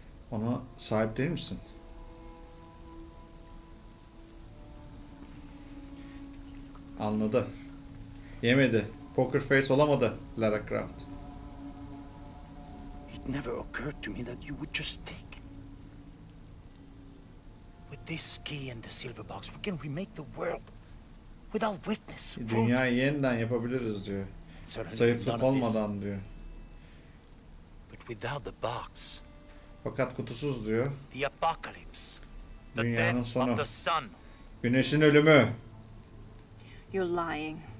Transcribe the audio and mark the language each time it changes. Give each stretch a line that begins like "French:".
Turkish: Ona sahip değil misin? Anladı. Yemedi. Poker face olamadı Lara Croft.
English: It never occurred to me that you would just take. With this key and the silver box, we can remake the world without witness.
Turkish: Dünyayı yeniden yapabiliriz diyor. Zayıflık olmadan diyor.
English: But without the box.
Turkish: Fakat kutusuz diyor.
English: The apocalypse. The death of the sun.
Turkish: Güneşin ölümü.
English: You're lying.